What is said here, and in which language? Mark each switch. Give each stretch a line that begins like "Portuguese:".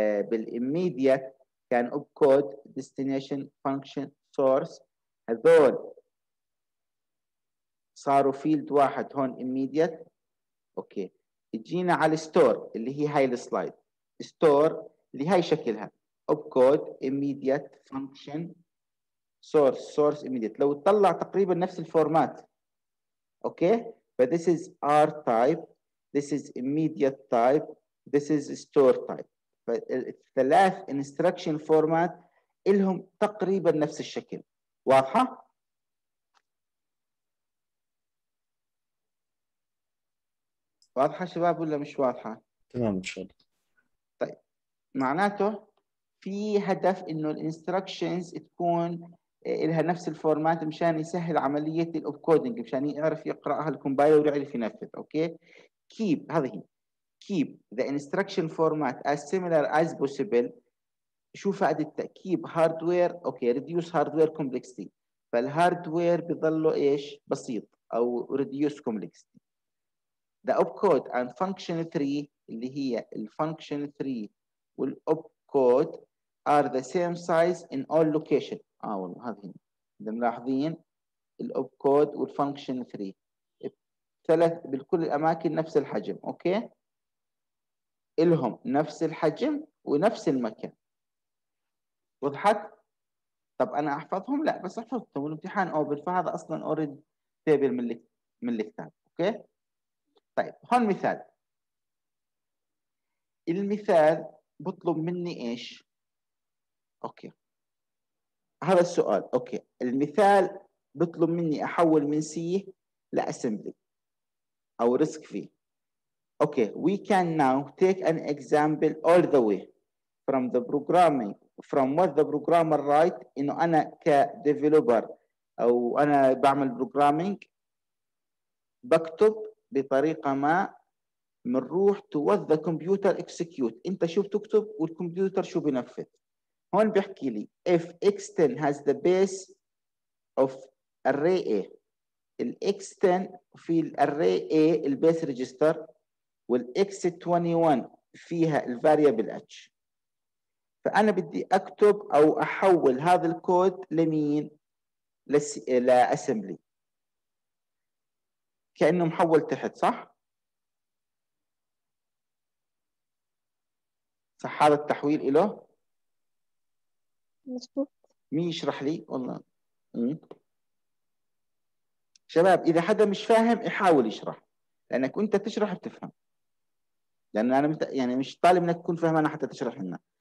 Arabic: بالimmediate كان opcode destination function source. هذول صاروا field واحد هون immediate. اوكي اجينا على الستور اللي هي هاي السلايد store اللي هاي شكلها opcode immediate function source source immediate. لو تطلع تقريبا نفس الفورمات.
English: Okay but this is R type, this is immediate type, this is store type.
Arabic: فالثلاث instruction format إلهم تقريبا نفس الشكل. واضحة؟ واضحة شباب ولا مش واضحة؟ تمام إن شاء الله. طيب معناته في هدف إنه instructions تكون إلها نفس الفورمات مشان يسهل عملية الأوبكودينج مشان يعرف يقرأها الكومبايلر ويعرف ينفذ.
English: Okay keep هذه keep the instruction format as similar as possible.
Arabic: شو فائدة keep hardware.
English: Okay reduce hardware complexity.
Arabic: فالhardware بيظله إيش بسيط أو reduce complexity.
English: the opcode and function 3
Arabic: اللي هي الfunction 3 والopcode
English: are the same size in all location.
Arabic: آه والله هذه إذا ملاحظين الأوب كود والفانكشن 3 ثلاث بكل الأماكن نفس الحجم. أوكي إلهم نفس الحجم ونفس المكان. وضحت؟ طب أنا أحفظهم؟ لا بس أحفظتهم والامتحان أوبن فهذا أصلاً أوريدي تيبل من الكتاب. أوكي طيب هون مثال. المثال بطلب مني إيش؟ أوكي هذا السؤال. اوكي المثال بطلب مني احول من سي لاسمبلي او ريسك في.
English: Okay we can now take an example all the way from the programming from what the programmer right.
Arabic: انه انا كديفلوبر او انا بعمل بروجرامينج بكتب بطريقه ما بنروح
English: To what the computer execute.
Arabic: انت شو بتكتب والكمبيوتر شو بينفذ. هون بيحكي لي
English: if x10 has the base of array a,
Arabic: ال x10 في ال array a ال base register والX21 فيها الفاريابل H. فأنا بدي أكتب أو أحول هذا الكود لمين؟ لأسمبلي. كأنه محول تحت صح؟ صح هذا التحويل إله؟ مين يشرح لي؟ والله شباب إذا حدا مش فاهم يحاول يشرح، لأنك أنت تشرح بتفهم، لأن أنا يعني مش طالب أنك تكون فهمنا حتى تشرح لنا.